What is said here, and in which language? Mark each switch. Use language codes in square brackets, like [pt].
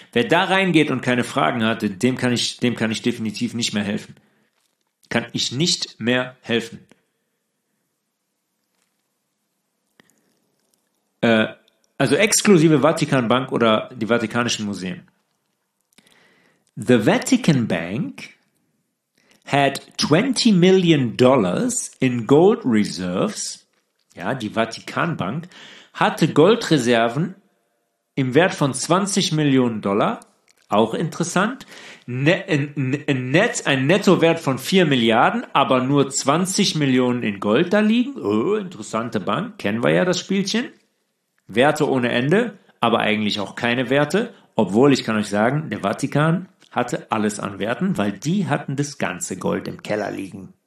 [de] Wer da reingeht und keine Fragen hatte, dem kann ich definitiv nicht mehr helfen. Kann ich nicht mehr helfen. Also exklusive Vatikanbank oder die Vatikanischen Museen. [en] The Vatican Bank had $20 million in gold reserves. [de] Ja, die Vatikanbank hatte Goldreserven im Wert von $20 million. Auch interessant. Ein Nettowert von 4 Milliarden, aber nur 20 Millionen in Gold da liegen. Oh, interessante Bank, kennen wir ja das Spielchen. Werte ohne Ende, aber eigentlich auch keine Werte, obwohl ich kann euch sagen, der Vatikan hatte alles an Werten, weil die hatten das ganze Gold im Keller liegen.